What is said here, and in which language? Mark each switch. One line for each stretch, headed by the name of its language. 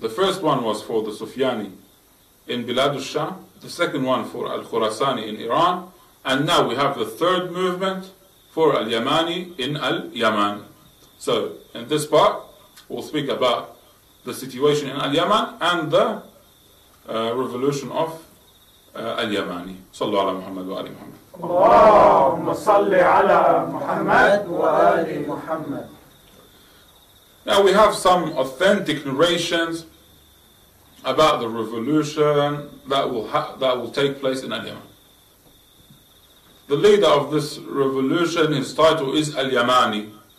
English: The first one was for the Sufyani in Bilad al-Sham, the second one for al-Khurasani in Iran, and now we have the third movement for al-Yamani in al-Yaman. So in this part, we'll speak about the situation in al-Yaman and the revolution of al-Yamani.
Arabic: Sallu ala Muhammad wa Ali Muhammad. اللهم صل على محمد وآل محمد.
English: Now we have some authentic narrations about the revolution that will take place in al-Yaman. The leader of this revolution, his title is al-Yamani.